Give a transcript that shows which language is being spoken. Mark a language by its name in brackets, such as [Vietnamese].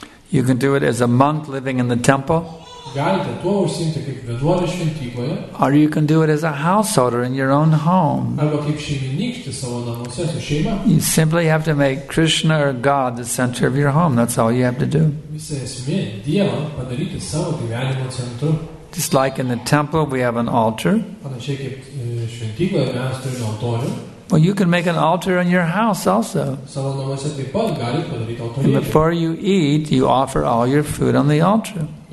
[English] You can do it as a monk living in the temple. [Lithuanian] Galite tuo užsiimti kaip vienuolis šventykloje. [English] Or you can do it as a householder in your own home. [Lithuanian] Arba kaip šeimininkas savo namuose su šeima. [English] You simply have to make Krishna or God the center of your home. That's all you have to do. [Lithuanian] Visa esmė Dievą padaryti savo gyvenimo centru. [English] Just like in the temple, we have an altar. Well, you can make an altar in your house also. And before you eat, you offer all your food on the altar.